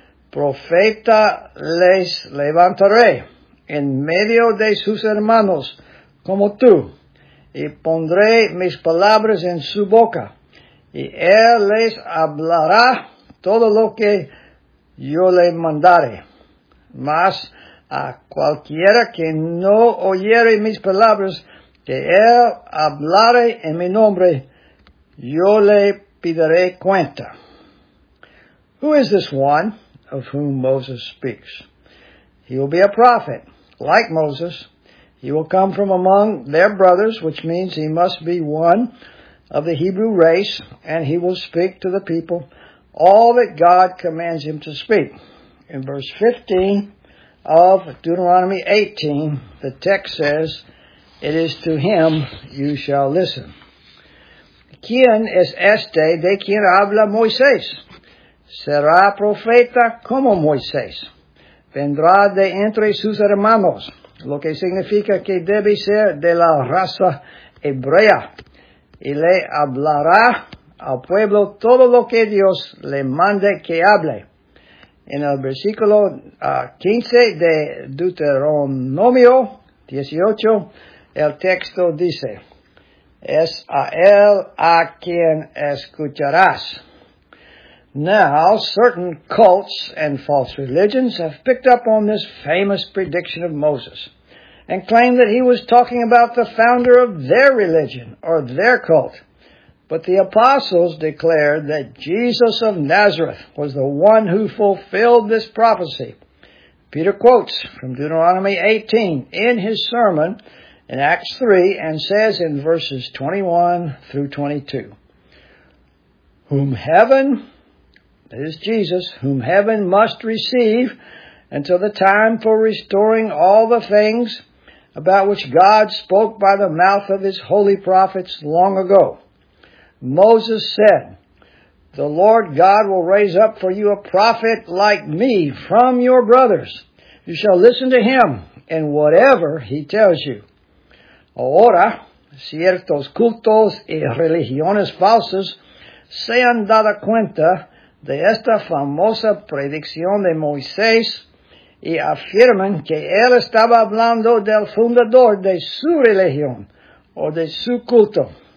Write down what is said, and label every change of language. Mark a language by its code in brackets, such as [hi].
[es] Profeta les levantaré en medio de sus hermanos como tú, y pondré mis palabras en su boca, y él les hablará todo lo que yo le mandare. Mas a cualquiera que no oyere mis palabras, que él hablare en mi nombre, yo le pidere cuenta. [en] Who is this one of whom Moses speaks? He will be a prophet, like Moses. He will come from among their brothers, which means he must be one of the Hebrew race, and he will speak to the people all that God commands him to speak. In verse 15 of Deuteronomy 18, the text says, "It is to him you shall listen." [es] ¿Quién es este de quien habla Moisés? Será profeta como Moisés. Vendrá de entre sus hermanos, lo que significa que debe ser de la raza hebrea, y le hablará al pueblo todo lo que Dios le mande que hable. En el versículo 15 de Deuteronomio 18, el texto dice, es a él a quien escucharás. [en] Now, certain cults and false religions have picked up on this famous prediction of Moses and claim that he was talking about the founder of their religion or their cult. But the apostles declared that Jesus of Nazareth was the one who fulfilled this prophecy, Peter quotes from Deuteronomy 18 in his sermon in Acts 3 and says in verses 21 through 22, whom heaven, that is Jesus, whom heaven must receive until the time for restoring all the things about which God spoke by the mouth of his holy prophets long ago. Moses said, the Lord God will raise up for you a prophet like me from your brothers. You shall listen to him and whatever he tells you. [es] Ahora, ciertos cultos y religiones falsas se han dado cuenta de esta famosa predicción de Moisés y afirman que él estaba hablando del fundador de su religión o de su culto.